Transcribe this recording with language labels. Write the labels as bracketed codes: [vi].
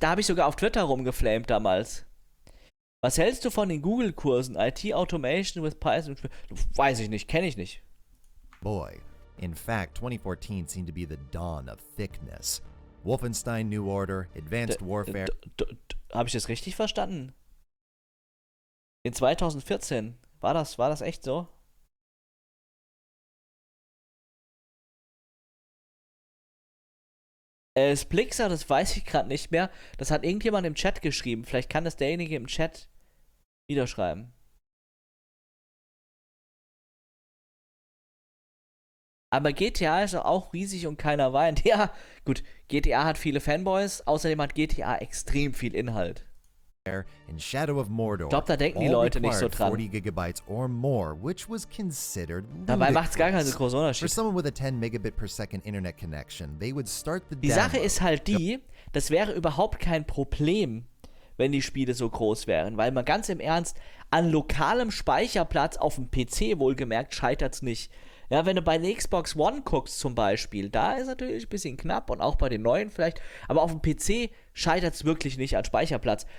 [de] Da habe ich sogar auf Twitter rumgeflamed damals. Was hältst du von den Google-Kursen? IT Automation with Python? Weiß ich nicht, kenne ich nicht. [en] Boy, in fact, 2014 seemed to be the dawn of thickness. Wolfenstein New Order, Advanced Warfare... [de] Habe ich das richtig verstanden? In 2014, war das echt so? Splixer, das weiß ich gerade nicht mehr. Das hat irgendjemand im Chat geschrieben. Vielleicht kann das derjenige im Chat niederschreiben. Aber GTA ist auch riesig und keiner weint. Ja, gut, GTA hat viele Fanboys. Außerdem hat GTA extrem viel Inhalt. [en] In Shadow of Mordor, [de] ich glaube, da denken die Leute nicht so dran. [en] 40 gigabytes or more, which was considered ludicrous. [de] Dabei macht es gar keinen großen Unterschied. [en] For someone with a 10 megabit per second internet connection, they would start the [de] demo. Die Sache ist halt die, das wäre überhaupt kein Problem, wenn die Spiele so groß wären, weil man ganz im Ernst, an lokalem Speicherplatz auf dem PC wohlgemerkt scheitert es nicht. Ja, wenn du bei der Xbox One guckst zum Beispiel, da ist natürlich ein bisschen knapp und auch bei den neuen vielleicht, aber auf dem PC scheitert es wirklich nicht an Speicherplatz.